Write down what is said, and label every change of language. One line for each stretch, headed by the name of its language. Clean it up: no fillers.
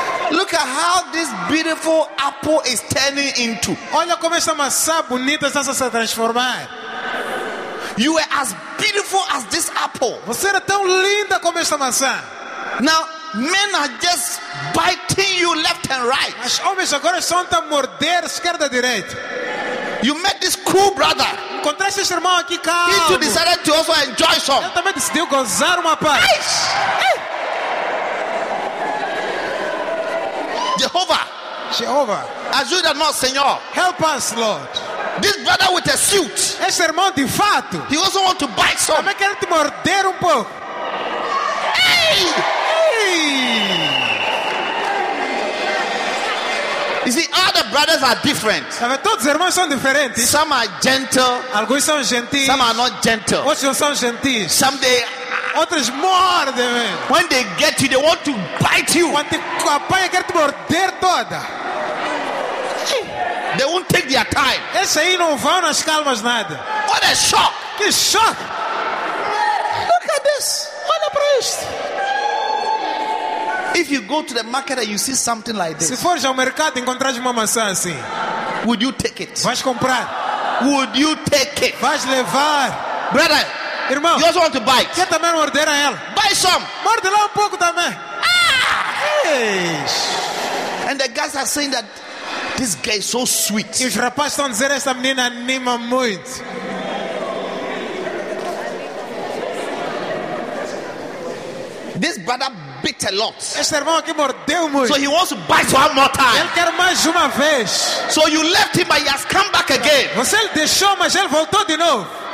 English: look at how this beautiful apple is turning into.
Portuguese: Olha como essa maçã bonita está se transformando.
English: You are as beautiful as this apple.
Portuguese: Você era tão linda como essa maçã.
English: Now men are just biting you left and right.
Portuguese: As homens agora estão a morder esquerda e direita.
English: You met this cool brother.
Portuguese: Encontrei esse irmão aqui calmo.
English: He too decided to also enjoy some.
Portuguese: Ele também decidiu gozar uma parte. Hey! Hey! Jehovah. Jehovah. Ajuda nós, Senhor.
English: Help us, Lord. This brother with a suit.
Portuguese: Esse irmão de fato.
English: He also want to bite some.
Portuguese: Também quer te morder pouco. Hey!
English: You see, all the brothers are different.
Portuguese: Todos os irmãos são diferentes.
English: Some are gentle.
Portuguese: Alguns são gentis.
English: Some are not gentle.
Portuguese: Outros são gentis.
English: Some they.
Portuguese: Outros mordem.
English: When they get you, they want to bite you.
Portuguese: Quando te apanha, quer te morder toda.
English: They won't take their time.
Portuguese: Esses aí não vão nas calmas nada.
English: What a shock!
Portuguese: Que shock!
English: Look at this.
Portuguese: Olha para isto.
English: If you go to the market and you see something like this,
Portuguese: se for ao mercado encontrar uma maçã assim,
English: would you take it?
Portuguese: Vais comprar?
English: Would you take it?
Portuguese: Vais levar?
English: Brother,
Portuguese: irmão,
English: you also want to bite?
Portuguese: Quer também morder a ela?
English: Buy some.
Portuguese: Morde lá pouco também. Ah!
English: And the guys are saying that this guy is so sweet.
Portuguese: Os rapazes estão dizendo essa menina anima muito.
English: This brother bit a lot.
Portuguese: Esse irmão aqui mordeu muito.
English: So he wants to bite one more time.
Portuguese: Ele quer mais uma vez.
English: So you left him, but he has come back again.
Portuguese: Você o deixou, mas ele voltou de novo.